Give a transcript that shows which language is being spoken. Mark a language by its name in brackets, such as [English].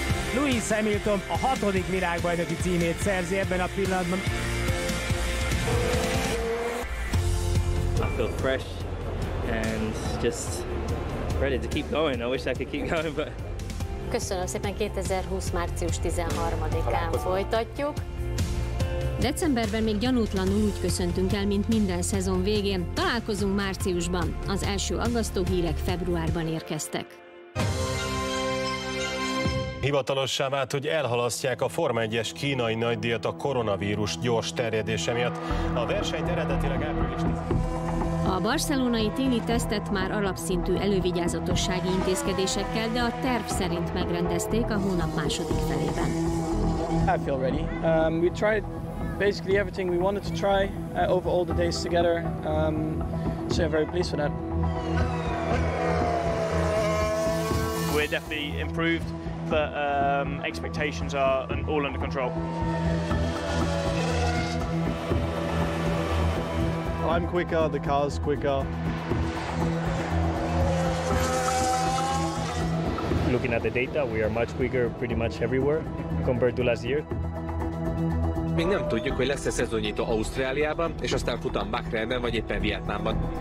[Hungarian] Lewis Hamilton a hatodik világbajnoki címét szerzi ebben a pillanatban. [English] I feel fresh and just ready to keep going. I wish I could keep going, but... [Hungarian] Köszönöm szépen, 2020. március 13-án folytatjuk. Decemberben még gyanútlanul úgy köszöntünk el, mint minden szezon végén. Találkozunk márciusban. Az első aggasztó hírek februárban érkeztek. Hivatalossá vált, hogy elhalasztják a Forma 1-es kínai nagydíjat a koronavírus gyors terjedése miatt. A versenyt eredetileg április 10. A barcelonai téli tesztet már alapszintű elővigyázatossági intézkedésekkel, de a terv szerint megrendezték a hónap második felében. [English] I feel ready. We tried basically everything we wanted to try over all the days together. So I'm very pleased with that. We're definitely improved. But expectations are all under control. I'm quicker, the car's quicker. Looking at the data, we are much quicker pretty much everywhere compared to last year. [Hungarian] Még nem tudjuk, hogy lesz-e szezonnyitó Ausztráliában, és aztán futam Bahrainben vagy éppen Vietnámban.